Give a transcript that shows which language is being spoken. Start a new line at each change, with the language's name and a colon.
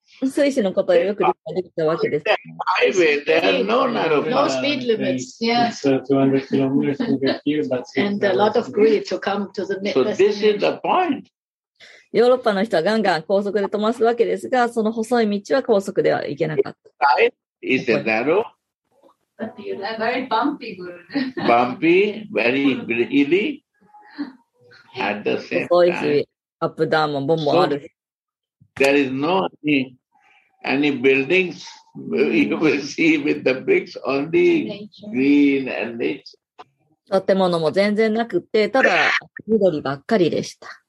Japanese: スイスのことをよく理解できたわけです。
English: No speed limits. Yes. And a lot of greed to come to the next. So this is the point.
Japanese: ヨーロッパの人はガンガン高速で飛ばすわけですが、その細い道は高速では行けなかった。
English: Right? Is it narrow? Very bumpy. Bumpy, very hilly. At the same time.
Japanese: 細いし、アップダウンもボンボンある。
English: There is no any buildings you will see with the bricks only green and nature.
Japanese: 建物も全然なくて、ただ緑ばっかりでした。